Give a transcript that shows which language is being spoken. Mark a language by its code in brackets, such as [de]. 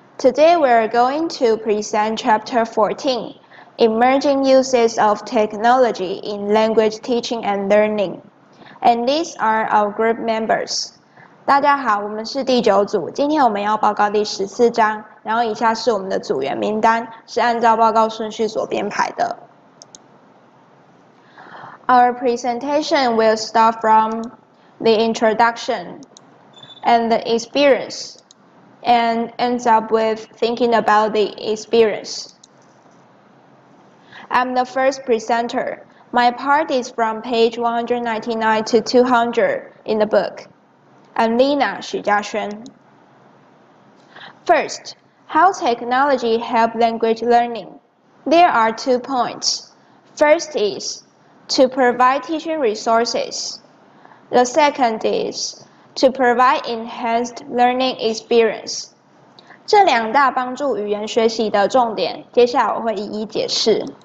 [en] Today we're going to present chapter 14, Emerging Uses of Technology in Language Teaching and Learning. And these are our group members. [zh] 大家好，我们是第九组，今天我们要报告第14章，然后以下是我们的组员名单，是按照报告顺序所编排的。 [en] Our presentation will start from the introduction. And the experience, and ends up with thinking about the experience. I'm the first presenter. My part is from page 199 to 200 in the book. I'm Lina, 许家轩.First, how technology help language learning? There are two points. First is to provide teaching resources. The second is,To provide enhanced learning experience. [zh] 这两大帮助语言学习的重点，接下来我会一一解释。